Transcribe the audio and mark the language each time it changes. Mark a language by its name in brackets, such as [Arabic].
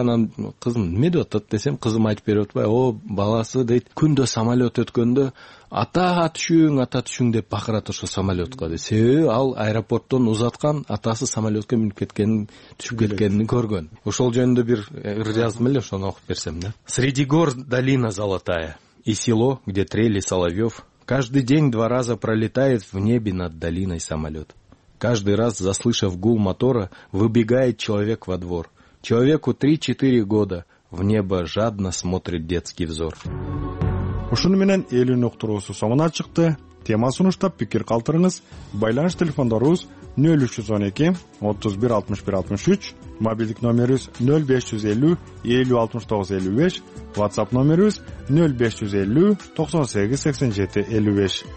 [Kyrgyz] Анан кызым эмне деп атат десем, кызым айтып берип атпайбы? О, баласы дейт, күндө самолет өткөндө ата түшүң, ата түшүң деп бакырат ошол самолетко дейт. Себеби ал аэропорттон узаткан атасы самолетке минип кеткенин, түшүп кеткенин көргөн. Ошол жөнүндө бир ыр жаздым эле, ошону окуп берсем да. [Russian] Среди гор долина золотая и село, где трели соловьев, каждый день 2 раза пролетает в небе над долиной самолет. Каждый раз, заслышав гул мотора, выбегает человек во двор. Человеку 3-4 года. В небо жадно смотрит детский взор. [Kyrgyz] Ушуну менен эл үнү уктуруусу соңуна чыкты. Тема сунуштап пикир калтырыңыз. Байланыш телефондорубуз 0312 316163, мобилдик номерибиз 0550 506955, WhatsApp номерибиз 0550 98 87 55.